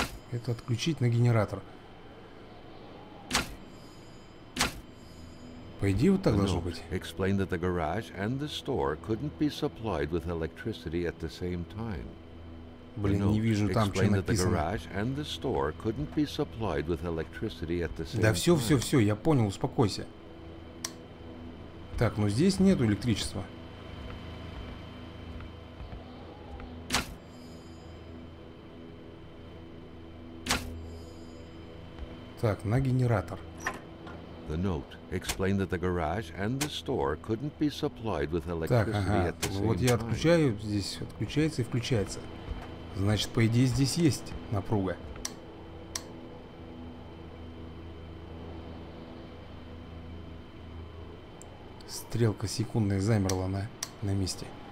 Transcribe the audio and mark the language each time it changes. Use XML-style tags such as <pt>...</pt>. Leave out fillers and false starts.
<ru>Это отключить на генератор. По идее, вот так должно быть.</ru> <en>Explained that the garage and the store couldn't be supplied with electricity at the same time.</en> <ru>Блин, не вижу там, что написано. Да все, я понял, успокойся. Так, ну здесь нету электричества. Так, на генератор.</ru> <en>The note explained that the garage and the store couldn't be supplied with electricity at the same time.</en> <ru>Так, ага. Вот я отключаю, здесь отключается и включается. Значит, по идее, здесь есть напруга. Стрелка секундная замерла на месте.</ru>